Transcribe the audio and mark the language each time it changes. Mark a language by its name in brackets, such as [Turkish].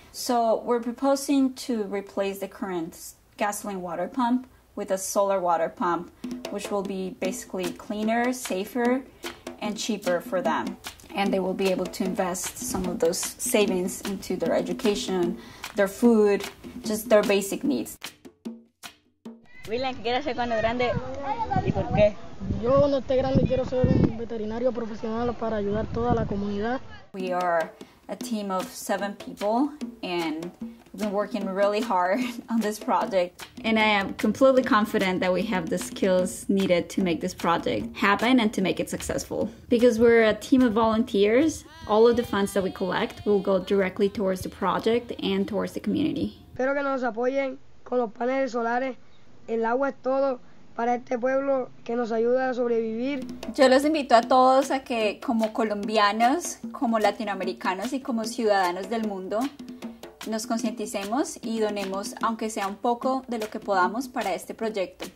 [English] So we're proposing to replace the current gasoline water pump with a solar water pump, which will be basically cleaner, safer, and cheaper for them. And they will be able to invest some of those savings into their education, their food, just their basic needs. [Spanish] William, ¿qué quieres ser cuando grande? ¿Y por qué? Yo cuando esté grande quiero ser un veterinario profesional para ayudar toda la comunidad. [English] We are a team of 7 people and we've been working really hard on this project. And I am completely confident that we have the skills needed to make this project happen and to make it successful. Because we're a team of volunteers, all of the funds that we collect will go directly towards the project and towards the community. [Spanish] Espero que nos apoyen con los paneles solares. El agua es todo para este pueblo que nos ayuda a sobrevivir. Yo los invito a todos a que como colombianos, como latinoamericanos y como ciudadanos del mundo, nos concienticemos y donemos, aunque sea un poco de lo que podamos, para este proyecto.